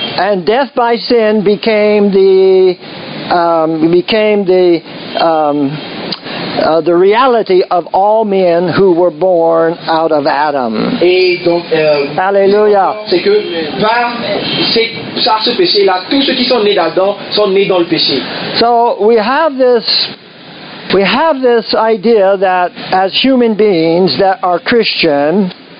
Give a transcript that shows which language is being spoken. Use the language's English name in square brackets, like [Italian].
[English] And death by sin became the reality of all men who were born out of Adam. [French] Et donc, alléluia. C'est que par ce péché-là, tous ceux qui sont nés d'Adam sont nés dans le péché. [English] So we have this. We have this idea that as human beings that are Christian,